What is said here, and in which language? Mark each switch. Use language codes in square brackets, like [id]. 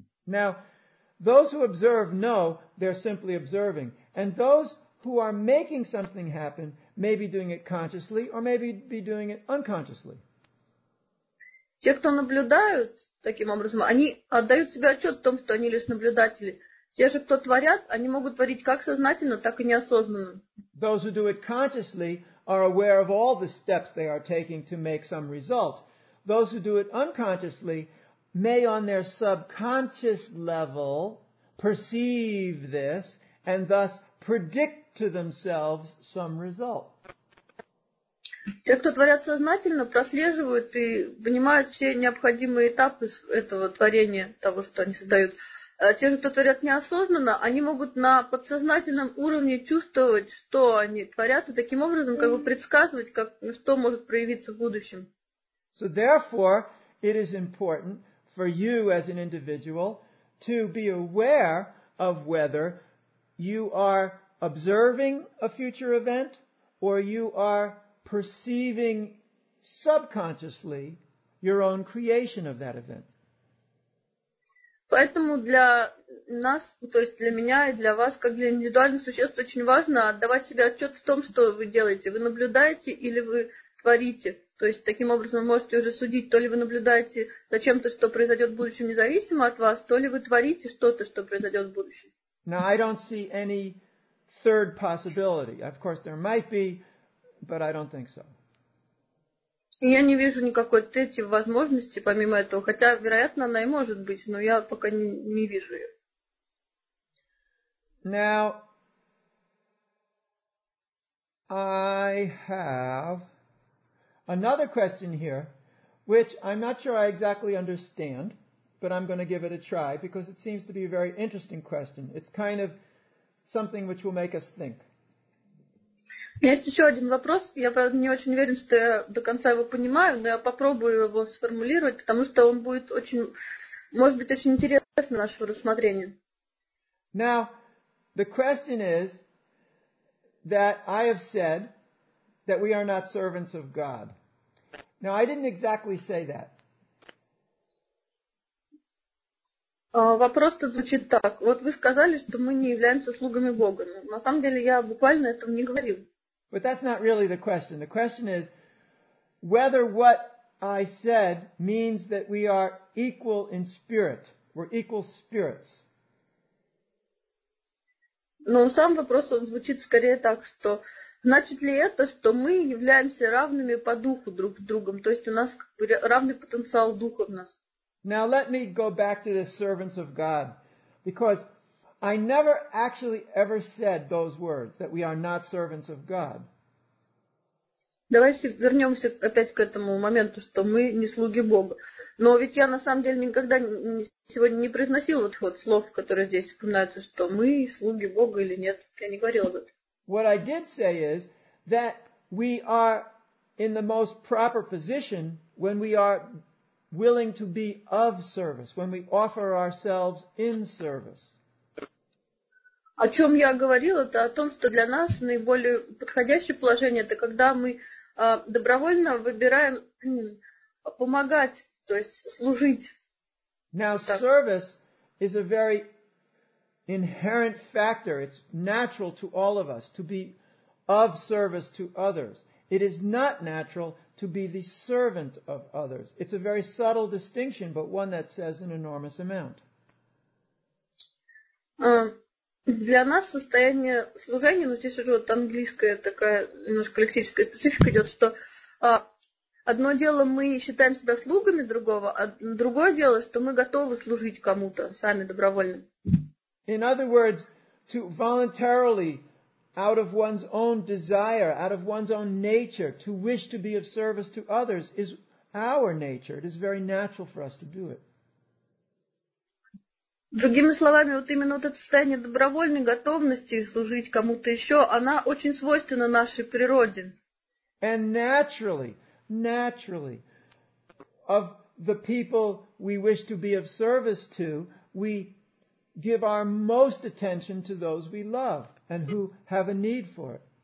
[en] Now, those who observe know they're simply observing. And those who are making something happen maybe doing it consciously, or maybe be doing it unconsciously. [ru] Те, кто наблюдают таким образом, они отдают себе отчет в том, что они лишь наблюдатели. Те же, кто творят, они могут творить как сознательно, так и неосознанно. [en] Those who do it consciously are aware of all the steps they are taking to make some result. those who do it unconsciously may on their subconscious level perceive this and thus predict to themselves some result. [ru] Те, кто творят сознательно, прослеживают и понимают все необходимые этапы этого творения, того, что они создают. Те же, кто творят неосознанно, они могут на подсознательном уровне чувствовать, что они творят, и таким образом как бы предсказывать, как, что может проявиться в будущем. [en] So therefore, it is important for you as an individual to be aware of whether you are observing a future event or you are perceiving subconsciously your own creation of that event. [ru] Поэтому для нас, то есть для меня и для вас, как для индивидуальных существ, очень важно отдавать себе отчет в том, что вы делаете. Вы наблюдаете или вы творите? То есть таким образом вы можете уже судить, то ли вы наблюдаете за чем-то, что произойдет в будущем, независимо от вас, то ли вы творите что-то, что произойдет в будущем. [en] Now, I don't see any third possibility. Of course, there might be, but I don't think so. [ru] Я не вижу никакой третьей возможности, помимо этого, хотя, вероятно, она и может быть, но я пока не вижу ее. [en] Now, I have another question here, which I'm not sure I exactly understand, but I'm going to give it a try, because it seems to be a very interesting question. It's kind of something which will make us think. [ru] У меня есть еще один вопрос. Я, правда, не очень уверен, что я до конца его понимаю, но я попробую его сформулировать, потому что он будет очень, может быть, очень интересно нашего рассмотрения. [en] Now, the question is that I have said that we are not servants of God. Now, I didn't exactly say that. [ru] Вопрос-то звучит так. Вот вы сказали, что мы не являемся слугами Бога. На самом деле, я буквально этого не говорил. [en] But that's not really the question. The question is whether what I said means that we are equal in spirit. We're equal spirits. [ru] Но сам вопрос, он звучит скорее так, что значит ли это, что мы являемся равными по духу друг с другом? То есть у нас как бы равный потенциал духа в нас. [en] Now let me go back to the servants of God. Because I never actually ever said those words, that we are not servants of God. [ru] Давайте вернемся опять к этому моменту, что мы не слуги Бога. Но ведь я на самом деле никогда сегодня не произносил вот вот слов, которые здесь вспоминаются, что мы слуги Бога или нет. Я не говорил об этом. [en] What I did say is that we are in the most proper position when we are willing to be of service, when we offer ourselves in service. [ru] О чем я говорил, это о том, что для нас наиболее подходящее положение, это когда мы добровольно выбираем помогать, то есть служить. [en] Now, [ru] так. [en] Service is a very inherent factor. It's natural to all of us to be of service to others. It is not natural to be the servant of others. It's a very subtle distinction, but one that says an enormous amount. [ru] Для нас состояние служения, ну здесь уже вот английская такая немножко лексическая специфика идет, что одно дело мы считаем себя слугами другого, а другое дело, что мы готовы служить кому-то сами добровольно. [en] In other words, to voluntarily, out of one's own desire, out of one's own nature, to wish to be of service to others is our nature. It is very natural for us to do it. [ru] Другими словами, вот именно вот это состояние добровольной готовности служить кому-то еще, она очень свойственна нашей природе. [en] And naturally, of the people we wish to be of service to, we give our most attention to those we love and who have a need for it.